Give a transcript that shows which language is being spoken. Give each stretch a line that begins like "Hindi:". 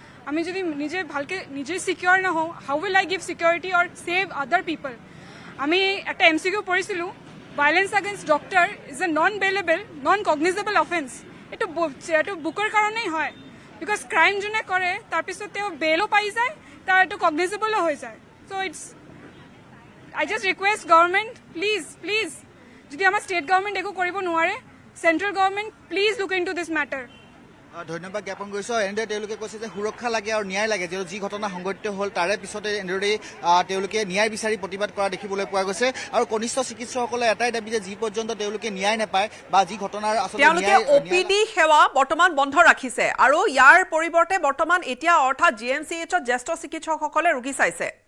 Assamese: আমি যদি নিজে ভালকৈ নিজে চিকিয়'ৰ নহওঁ,
English: How will I give security or save other people?
Assamese: আমি এটা এম চি কিউ পঢ়িছিলোঁ,
English: violence against doctor is a non bailable non cognizable offence,
Assamese: এইটো বুকৰ কাৰণেই হয়,
English: because crime
Assamese: যোনে কৰে তাৰপিছত তেওঁ বেলো পাই যায়, তাৰ এইটো কগনিজেবলো হৈ যায়।
English: So it's, I just request government, please,
Assamese: jodi ama state government eku koribo noare,
English: central government please look into this matter.
Assamese: ধন্যবাদ জ্ঞাপন কৰিছোঁ। এনেদৰে তেওঁলোকে কৈছে যে সুৰক্ষা লাগে আৰু ন্যায় লাগে, যিহেতু যি ঘটনা সংঘটিত হ'ল তাৰে পিছতে এনেদৰেই তেওঁলোকে ন্যায় বিচাৰি প্ৰতিবাদ কৰা দেখিবলৈ পোৱা গৈছে। আৰু কনিষ্ঠ চিকিৎসকসকলে এটাই দাবী যে যি পৰ্যন্ত তেওঁলোকে ন্যায় নাপায় বা যি ঘটনাৰ আচলতে তেওঁলোকে অপিডি সেৱা বৰ্তমান বন্ধ ৰাখিছে আৰু ইয়াৰ পৰিৱৰ্তে বৰ্তমান এতিয়া অৰ্থাৎ জি এম চি এইচত জ্যেষ্ঠ চিকিৎসকসকলে ৰোগী চাইছে।